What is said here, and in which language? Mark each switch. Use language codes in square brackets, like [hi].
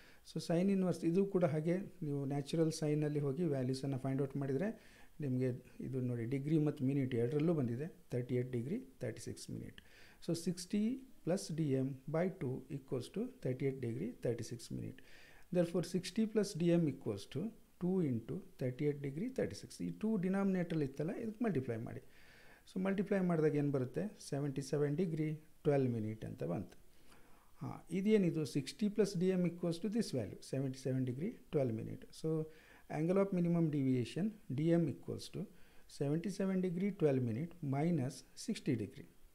[kn] So sine inverse ಇದು ಕೂಡ ಹಾಗೆ, ನೀವು ನ್ಯಾಚುರಲ್ ಸೈನಲ್ಲಿ ಹೋಗಿ ವ್ಯಾಲ್ಯೂಸನ್ನು ಫೈಂಡ್ ಔಟ್ ಮಾಡಿದರೆ ನಿಮಗೆ ಇದು ನೋಡಿ, ಡಿಗ್ರಿ ಮತ್ತು ಮಿನಿಟ್ ಎರಡರಲ್ಲೂ ಬಂದಿದೆ, 38 degree 36 minutes. [en] So 60 plus D M by two equals to 38 degree 36 minutes. Therefore, 60 plus dm equals to 2 into 38 degree 36. [kn] ಈ ಟೂ ಡಿನಾಮಿನೇಟ್ರಲ್ಲಿ ಇತ್ತಲ್ಲ, ಇದಕ್ಕೆ ಮಲ್ಟಿಪ್ಲೈ ಮಾಡಿ. ಸೊ ಮಲ್ಟಿಪ್ಲೈ ಮಾಡಿದಾಗ ಏನು ಬರುತ್ತೆ, 77 degree 12 minutes ಅಂತ ಬಂತು. [en] ಹಾಂ, [kn] ಇದೇನಿದು, [en] 60 plus D M equals to this value 77 degree 12 minutes. So angle of minimum deviation D M equals to 77 degree 12 minutes minus 60 degree.